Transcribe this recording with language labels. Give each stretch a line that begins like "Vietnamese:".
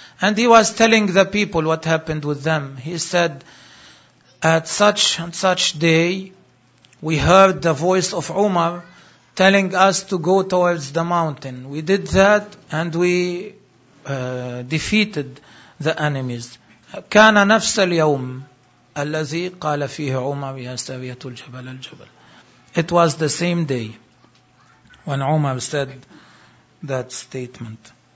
English: And he was telling the people what happened with them. He said, at such and such day, we heard the voice of Umar telling us to go towards the mountain. We did that and we defeated the enemies.
Arabic: كان نفس اليوم الذي قال فيه عمر يا سارية الجبل الجبل.
English: It was the same day when Umar said that statement.